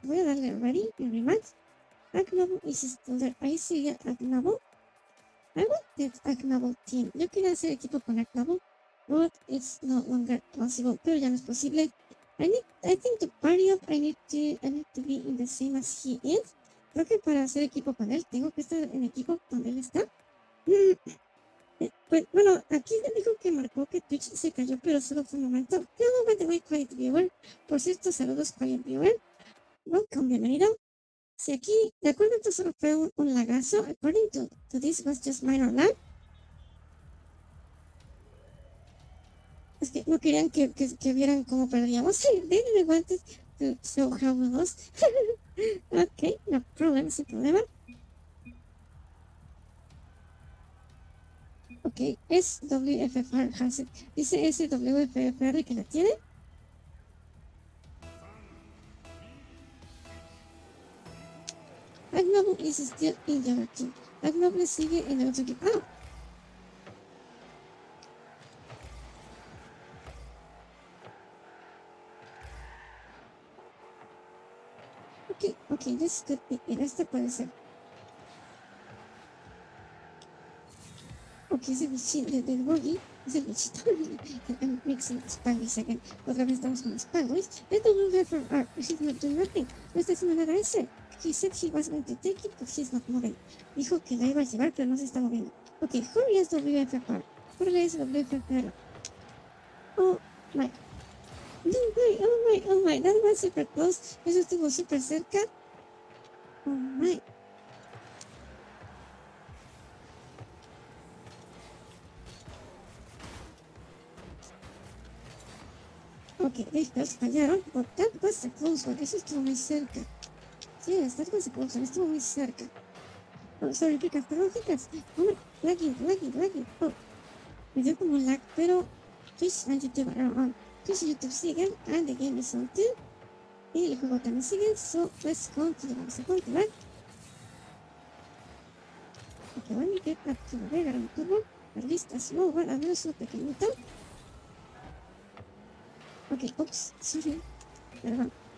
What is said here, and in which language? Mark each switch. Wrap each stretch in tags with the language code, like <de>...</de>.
<es>Voy a darle ready en rematch.</es> <en>Agnabo is still there.</en> <es>Ahí sería</es> <en>Agnabo. I want that Agnabo team.</en> <es>Yo quería hacer equipo con Agnabo,</es> <en>but it's no longer possible.</en> <es>Pero ya no es posible.</es> <en>I think to party up, I need to be in the same as he is.</en> <es>Creo que para hacer equipo con él, tengo que estar en equipo donde él está. Pues bueno, aquí me dijo que marcó que Twitch se cayó, pero solo fue un momento. Yo no voy a tener Quiet Viewer. Por cierto, saludos Quiet Viewer. Welcome, bienvenido. Si aquí, de acuerdo, esto solo fue un lagazo.</es> <en>According to this, was just minor lag.</en> <es>Es que no querían que vieran cómo perdíamos.</es> <en>Sí, they didn't want to show how we lost. Ok, no problem,</en> <es>sin problema. Ok,</es> <en>SWFFR has it.</en> <es>Dice SWFFR que la tiene.</es> <en>Agnobu is still in the other team.</en> <es>Agnobu sigue en el otro equipo. Ah.</es> <en>Ok, ok, this could be it.</en> <es>Este puede ser. Ok, ese bichito del buggy es el bichito.</es> <en>I'm mixing Spanglish again.</en> <es>Otra vez estamos con Spanglish.</es> <en>Let's move her from R. She's not doing nothing.</en> <es>No está haciendo nada ese.</es> <en>He said he was going to take it, but he's not moving.</en> <es>Dijo que la iba a llevar, pero no se está moviendo.</es> <en>Ok, hurry is WFR. Hurry is WFR. Oh my. No way, oh my, oh my. That was super close.</en> <es>Eso estuvo super cerca.</es> <en>Oh my. Ok,</en> <es>ellos fallaron,</es> <en>but that was a close one,</en> <es>eso estuvo muy cerca.</es> <en>Yes, that was a close one,</en> <es>estuvo muy cerca.</es> <en>Oh, sorry, FiCrAz, perdón, FiCrAz. Oh, lagging.</en> <es>Oh, me dio como lag, pero</es> <en>Twitch and YouTube are on. Twitch and YouTube siguen, and the game is on too.</en> <es>Y el juego también sigue,</es> <en>so let's continue,</en> <es>vamos a continuar.</es> <en>Ok, let me get up to the regular turbo, at least a small one,</en> <es>al menos un pequeñito.</es> <en>Ok, ups, sorry, perdón.</en>